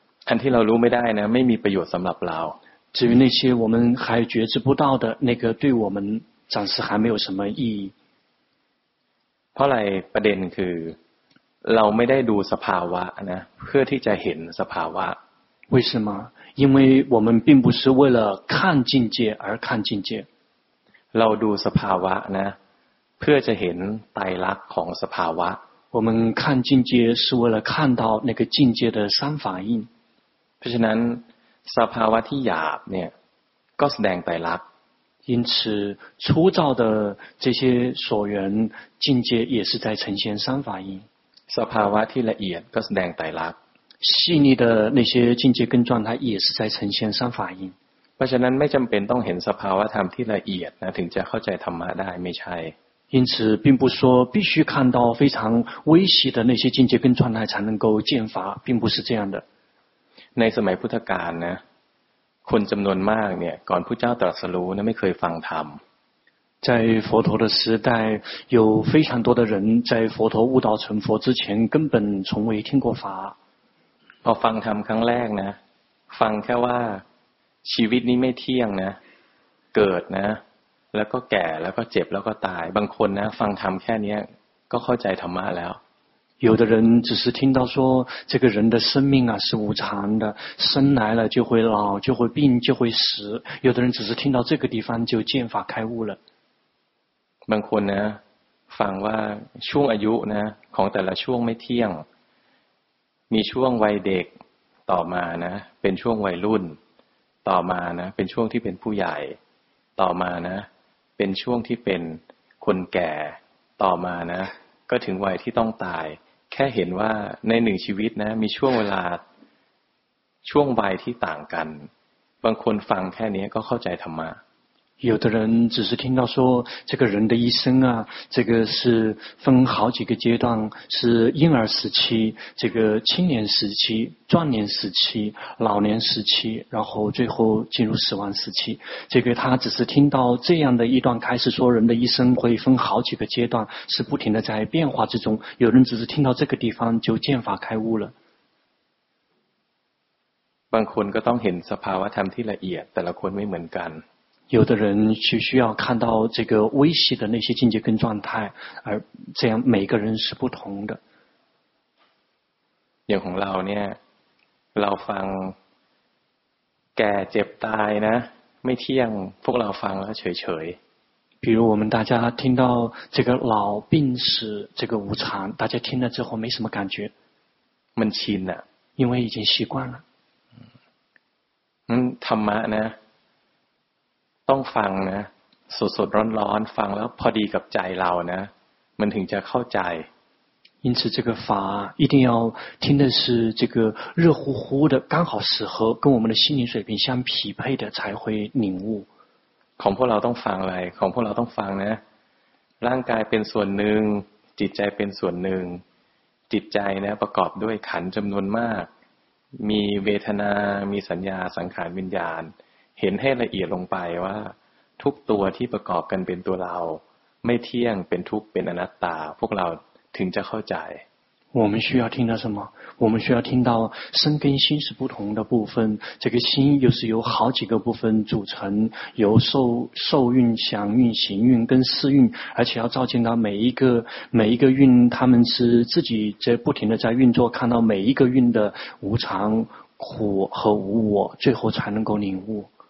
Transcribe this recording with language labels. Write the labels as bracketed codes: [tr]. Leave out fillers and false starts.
[th] อันที่เรารู้ไม่ได้นะไม่มีประโยชน์สำหรับเรา [zh] 至于那些我们还觉知不到的那个对我们暂时还没有什么意义 [th] เพราะอะไรประเด็นคือเราไม่ได้ดูสภาวะนะเพื่อที่จะเห็นสภาวะ [zh] 为什么因为我们并不是为了看境界而看境界 [th] เราดูสภาวะนะเพื่อจะเห็นไตรลักษณ์ของสภาวะ [zh] 我们看境界是为了看到那个境界的三法印 [th] เพราะฉะนั้นสภาวะที่หยาบเนี่ยก็แสดงไตรลักษณ์ [zh] 因此粗糙的这些所缘境界也是在呈现三法印 [th] สภาวะที่ละเอียดก็แสดงไตรลักษณ์ [zh] 细腻的那些境界跟状态也是在呈现三法印。 [th] เพราะฉะนั้นไม่จำเป็นต้องเห็นสภาวะธรรมที่ละเอียดนะถึงจะเข้าใจธรรมะได้ไม่ใช่。 [zh] 因此并不说必须看到非常微细的那些境界跟状态才能够见法并不是这样的。 [th] ในสมัยพุทธกาลนะคนจำนวนมากเนี่ยก่อนพุทธเจ้าตรัสรู้นะไม่เคยฟังธรรม。 [zh] 在佛陀的时代有非常多的人在佛陀悟道成佛之前根本从未听过法。 [th] พอฟังธรรมครั้งแรกนะฟังแค่ว่าชีวิตนี้ไม่เที่ยงนะเกิดนะแล้วก็แก่แล้วก็เจ็บแล้วก็ตายบางคนนะฟังธรรมแค่นี้ก็เข้าใจธรรมะแล้ว [zh] 有的人只是听到说这个人的生命啊是无常的生来了就会老就会病就会死有的人只是听到这个地方就见法开悟了 [th] บางคนนะฟังว่าช่วงอายุนะของแต่ละช่วงไม่เที่ยงมีช่วงวัยเด็ก ต่อมานะเป็นช่วงวัยรุ่นต่อมานะเป็นช่วงที่เป็นผู้ใหญ่ต่อมานะเป็นช่วงที่เป็นคนแก่ต่อมานะก็ถึงวัยที่ต้องตายแค่เห็นว่าในหนึ่งชีวิตนะมีช่วงเวลาช่วงวัยที่ต่างกันบางคนฟังแค่นี้ก็เข้าใจธรรมะ [zh] 有的人只是听到说这个人的一生啊这个是分好几个阶段是婴儿时期这个青年时期壮年时期老年时期然后最后进入死亡时期这个他只是听到这样的一段开始说人的一生会分好几个阶段是不停的在变化之中有人只是听到这个地方就见法开悟了 [th] บางคนก็ต้องเห็นสภาวะธรรมที่ละเอียดแต่ละคนไม่เหมือนกัน [zh] 有的人就需要看到这个微细的那些境界跟状态而这样每个人是不同的 [th] อย่างของเราเนี่ยเราฟังแก่เจ็บตายนะไม่เที่ยงพวกเราฟังแล้วเฉยเฉย [zh] 比如我们大家听到这个老病死这个无常大家听了之后没什么感觉 [th] มันชินน่ะ [zh] 因为已经习惯了 [th] ธรรมะนะต้องฟังนะสดๆร้อนๆฟังแล้วพอดีกับใจเรานะมันถึงจะเข้าใจ [zh] 因此这个法一定要听的是这个热乎乎的刚好适合跟我们的心灵水平相匹配的才会领悟 [th] ของพวกเราต้องฟังอะไรของพวกเราต้องฟังนะร่างกายเป็นส่วนหนึ่งจิตใจเป็นส่วนหนึ่งจิตใจนะประกอบด้วยขันธ์จำนวนมากมีเวทนามีสัญญาสังขารวิญญาณเห็นให้ละเอียดลงไปว่าทุกตัวที่ประกอบกันเป็นตัวเราไม่เที่ยงเป็นทุกข์เป็นอนัตตาพวกเราถึงจะเข้าใจ [zh] 我们需要听到什么我们需要听到身跟心是不同的部分这个心又是由好几个部分组成由受运想运行运跟思运而且要照见到每一个运他们是自己在不停的在运作看到每一个运的无常苦和无我最后才能够领悟